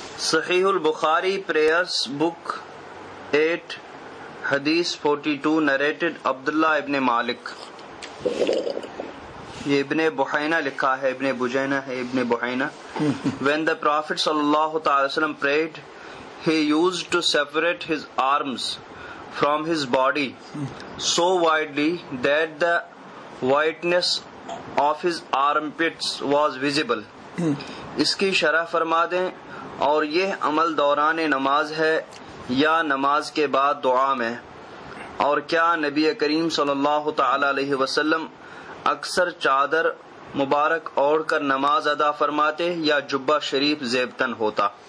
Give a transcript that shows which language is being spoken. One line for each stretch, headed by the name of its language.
Urdu: صحیح البخاری پریئرز بک 8 حدیث 42 نریٹڈ عبداللہ ابن مالک، یہ ابن بحینہ لکھا ہے، ابن بجینہ ہے، ابن بحینہ.
English: When the Prophet صلی اللہ تعالی وسلم prayed, he used to separate his arms from his body so widely that the whiteness of his armpits was visible.
Urdu: اس کی شرح فرما دیں. اور یہ عمل دوران نماز ہے یا نماز کے بعد دعا میں؟ اور کیا نبی کریم صلی اللہ تعالی علیہ وسلم اکثر چادر مبارک اوڑھ کر نماز ادا فرماتے یا جبہ شریف زیب تن ہوتا؟